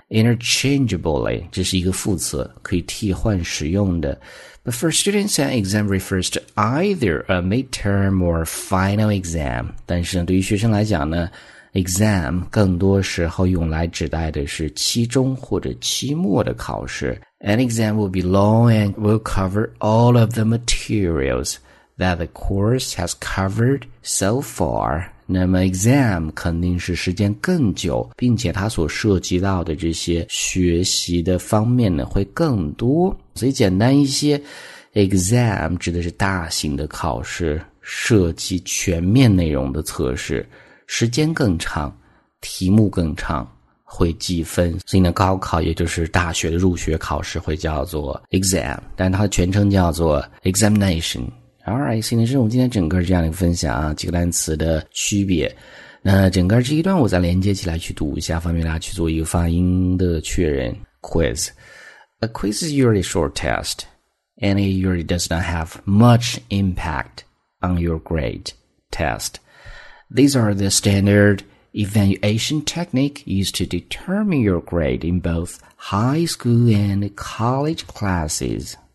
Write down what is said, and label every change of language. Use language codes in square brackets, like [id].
[zh] Interchangeably 这是一个副词，可以替换使用的。 [en] But for students an exam refers to either a midterm or final exam。 [zh] 但是对于学生来讲呢，Exam 更多时候用来指代的是期中或者期末的考试。 [en] An exam will be long and will cover all of the materials that the course has covered so far。 [zh] 那么 exam 肯定是时间更久，并且它所涉及到的这些学习的方面呢会更多。所以简单一些， exam 指的是大型的考试，涉及全面内容的测试，时间更长，题目更长，会计分。所以呢高考也就是大学的入学考试会叫做 exam， 但它全称叫做 examination。 Alright， 所以呢这是我们今天整个这样的分享啊，几个单词的区别。那整个这一段我再连接起来去读一下，方便大家去做一个发音的确认。 [en] quiz， A quiz is usually a short test and it usually does not have much impact on your grade. Test. These are the standard evaluation technique used to determine your grade in both high school and college classes.